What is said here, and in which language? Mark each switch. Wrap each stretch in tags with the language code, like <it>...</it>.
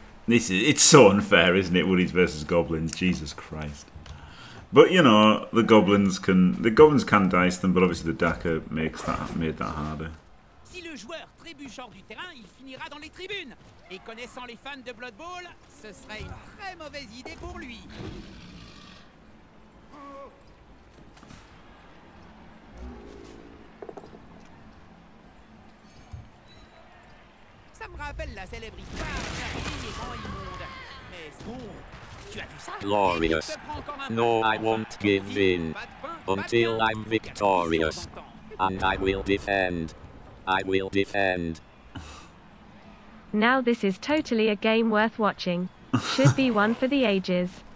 <en>It's so unfair, isn't it? Woodies versus Goblins. Jesus Christ. But you know, the goblins can dice them, but obviously the Daka made that harder.</en> <fr>Si le joueur trébuche hors du terrain, il finira dans les tribunes. Et connaissant les fans de Blood Bowl, ce serait une très mauvaise idée pour lui. Ça me rappelle la célèbre histoire grand immonde. Mais bon.</fr> <en>Glorious. No, I won't give in until I'm victorious. And I will defend. I will defend. Now this is totally a game worth watching. Should be one for the ages.</en>